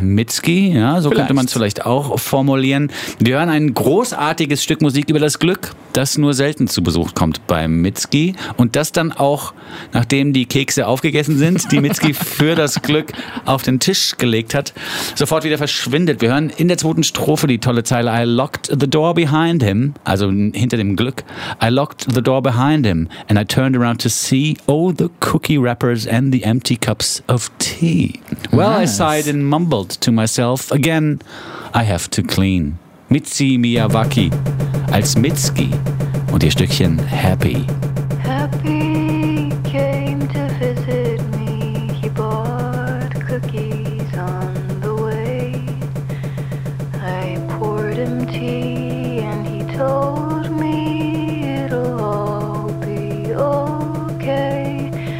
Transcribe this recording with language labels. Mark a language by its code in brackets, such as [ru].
[de] Mitski, ja, so vielleicht. Könnte man es vielleicht auch formulieren. Wir hören ein großartiges Stück Musik über das Glück, das nur selten zu Besuch kommt beim Mitski. Und das dann auch, nachdem die Kekse aufgegessen sind, die Mitski für das Glück auf den Tisch gelegt hat, sofort wieder verschwindet. Wir hören in der zweiten Strophe die tolle Zeile [en] I locked the door behind him, [de] also hinter dem Glück. [en] I locked the door behind him and I turned around to see all the cookie wrappers and the empty cups of tea. Well, nice. I sighed and mumbled to myself, again, I have to clean. [de] Mitski Miyawaki als Mitski und ihr Stückchen Happy. [en] Happy came to visit me. He bought cookies on the way. I poured him tea and he told me it'll all be okay.